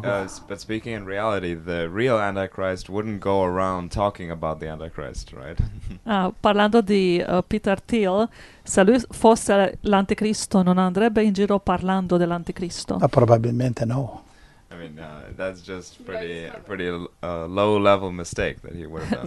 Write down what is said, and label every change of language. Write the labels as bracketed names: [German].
[English] But speaking in reality, the real Antichrist wouldn't go around talking about the Antichrist, right? [Italian] Parlando di Peter Thiel, se lui fosse l'Anticristo, non andrebbe in giro parlando dell'Anticristo? Ma probabilmente no. [English] I mean, that's just pretty low-level mistake that he would have done.